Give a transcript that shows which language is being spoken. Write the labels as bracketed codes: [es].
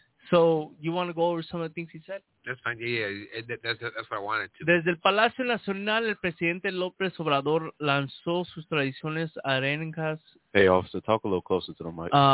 [en] So you want to go over some of the things he said? That's fine. Yeah. That's what I wanted to. [es] Desde el Palacio Nacional, el presidente López Obrador lanzó sus tradiciones arengas. [en] Hey, officer, talk a little closer to the mic.